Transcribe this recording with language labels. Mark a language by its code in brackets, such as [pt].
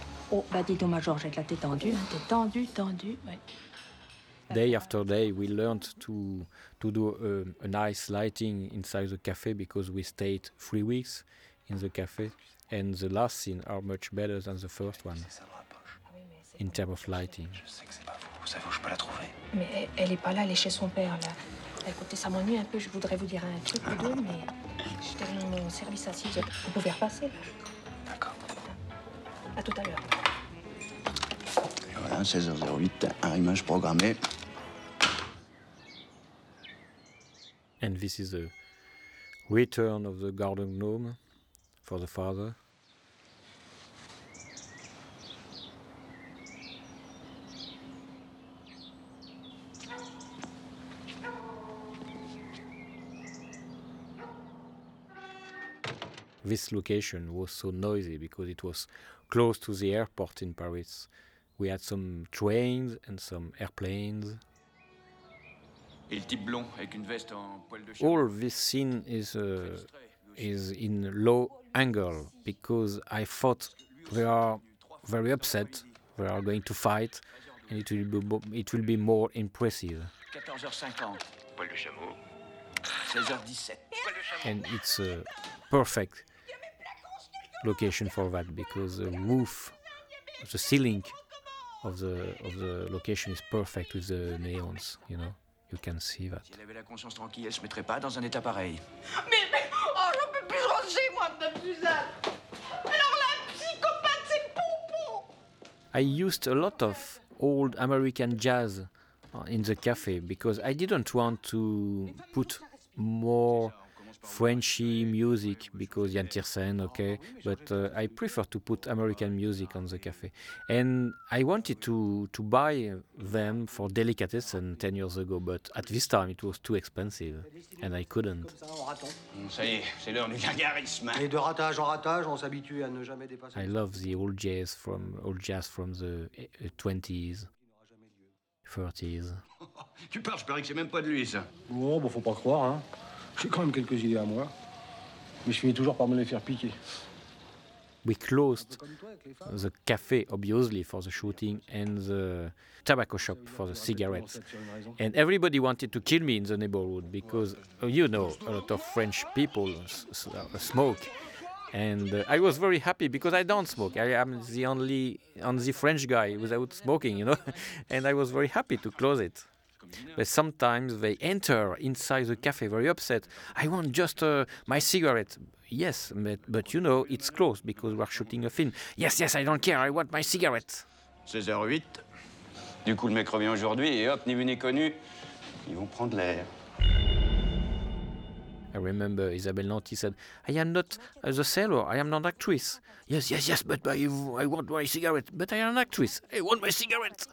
[fr] Oh, bah dis donc, ma Georgette, là, t'es tendue. Hein, t'es tendue, tendue, ouais. [en] Day after day, we learned to do a nice lighting inside the cafe because we stayed 3 weeks in the cafe, and the last scene are much better than the first one in terms of lighting. [fr] Vous savez où je peux la trouver? Mais elle est pas là, elle est chez son père là. Écoutez, ça m'ennuie un peu. Je voudrais vous dire un truc ou deux, mais j'étais dans mon service assis. Vous pouvez repasser. D'accord. À tout à l'heure. Voilà, 16h08, un image programmée. [en] And this is the return of the garden gnome for the father. This location was so noisy because it was close to the airport in Paris. We had some trains and some airplanes. [fr] Et le type blond avec une veste en poil de chien. [en] All this scene is in low angle because I thought they are very upset, they are going to fight, and it will be more impressive. [fr] 14h50, poil de chameau. 16h17, poil de chameau. [en] And it's a perfect location for that because the roof, the ceiling of the location is perfect with the neons, you know. You can see that. [fr] Si elle avait la conscience tranquille, elle se mettrait pas dans un état pareil. Mais oh, j'en peux plus rentrer chez moi, Madame Suzanne. Alors la psychopathe, c'est Poupon. [en] I used a lot of old American jazz in the cafe because I didn't want to put more Frenchy music because Yann Tiersen, okay, but I prefer to put American music on the cafe. And I wanted to buy them for Delicatessen 10 years ago, but at this time it was too expensive and I couldn't. I love the old jazz from the 20s, 30s. [fr] Tu parles, je parie que c'est même pas de lui ça. Bon, faut pas croire, hein. J'ai quand même quelques idées à moi, mais je finis toujours par me les faire piquer. [en] We closed the cafe, obviously, for the shooting, and the tobacco shop for the cigarettes. And everybody wanted to kill me in the neighborhood because, you know, a lot of French people smoke. And I was very happy because I don't smoke. I am the only French guy without smoking, you know. And I was very happy to close it. But sometimes they enter inside the cafe very upset. I want just my cigarette. Yes, but you know, it's closed because we're shooting a film. Yes, I don't care, I want my cigarette. [fr] 16h08. Du coup, le mec revient aujourd'hui et hop, ni vu ni connu, ils vont prendre l'air. [en] I remember Isabelle Nanty said, I am not the seller, I am not an actress. Yes, but I want my cigarette. But I am an actress, I want my cigarette.